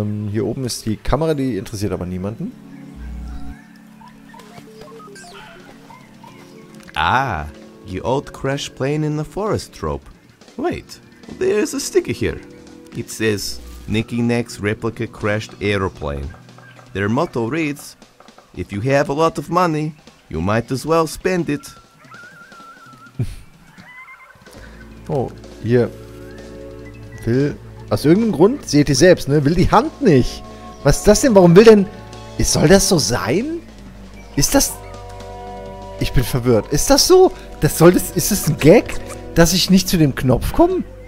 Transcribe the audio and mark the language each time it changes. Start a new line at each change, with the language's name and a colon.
German: Hier oben ist die Kamera, die interessiert aber niemanden.
English: Ah, the old crash plane in the forest trope. Wait, there is a sticker here. It says, Nicky Neck's replica crashed aeroplane. Their motto reads, if you have a lot of money, you might as well spend it.
German: Oh, hier. Will, aus irgendeinem Grund, seht ihr selbst, ne? Will die Hand nicht. Was ist das denn? Warum will denn... Soll das so sein? Ist das... Ich bin verwirrt. Ist das so? Ist das ein Gag, dass ich nicht zu dem Knopf komme?